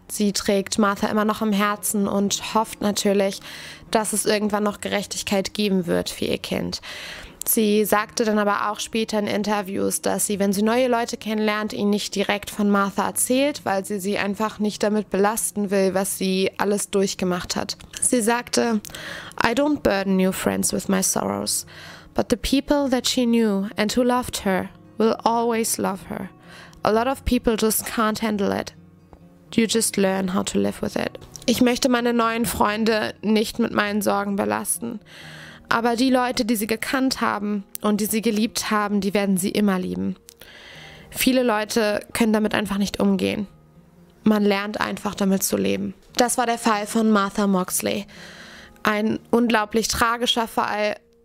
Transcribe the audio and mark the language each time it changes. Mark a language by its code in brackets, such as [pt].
[de] Sie trägt Martha immer noch im Herzen und hofft natürlich, dass es irgendwann noch Gerechtigkeit geben wird für ihr Kind. Sie sagte dann aber auch später in Interviews, dass sie, wenn sie neue Leute kennenlernt, ihnen nicht direkt von Martha erzählt, weil sie sie einfach nicht damit belasten will, was sie alles durchgemacht hat. Sie sagte, [en] I don't burden new friends with my sorrows, but the people that she knew and who loved her will always love her. A lot of people just can't handle it. You just learn how to live with it. [de] Ich möchte meine neuen Freunde nicht mit meinen Sorgen belasten. Aber die Leute, die sie gekannt haben und die sie geliebt haben, die werden sie immer lieben. Viele Leute können damit einfach nicht umgehen. Man lernt einfach damit zu leben. Das war der Fall von Martha Moxley. Ein unglaublich tragischer Fall.